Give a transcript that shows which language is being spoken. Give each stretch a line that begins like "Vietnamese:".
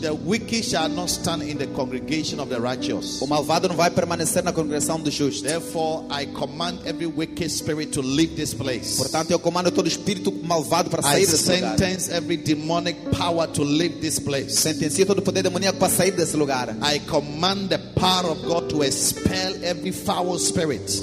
English: the wicked shall not stand in the congregation of the righteous.
Portuguese: O malvado não vai permanecer na congregação dos justos.
English: Therefore, I command every wicked spirit to leave this place.
Portuguese: Portanto, eu comando todo espírito malvado para sair desse lugar.
English: I sentence every demonic power to leave this place.
Portuguese: Sentencio todo poder demoníaco para sair desse lugar.
English: I command the power of God to expel every foul spirit.